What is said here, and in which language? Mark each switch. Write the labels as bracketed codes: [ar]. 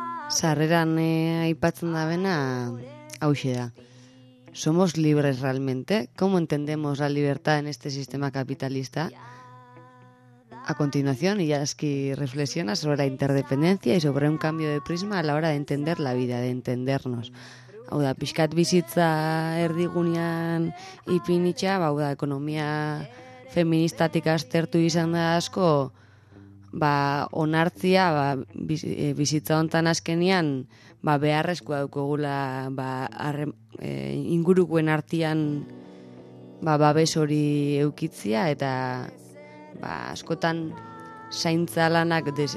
[eu] Sarreran aipatzen da bena hauxe da. [es] Somos libres realmente. ¿Cómo entendemos la libertad en este sistema capitalista? A continuación, Illaski reflexiona sobre la interdependencia y sobre un cambio de prisma a la hora de entender la vida, de entendernos. [eu] Hau da, pixkat bizitza erdigunean ipinitza, hau da, ekonomia feministatik aztertu izan da asko, ba, onartzia, ba, bizitza hontan azkenean, ba, beharrezkoa daukogula, ba, ingurukoen artean, ba, babes hori eukitzia, eta, ba, askotan zaintza lanak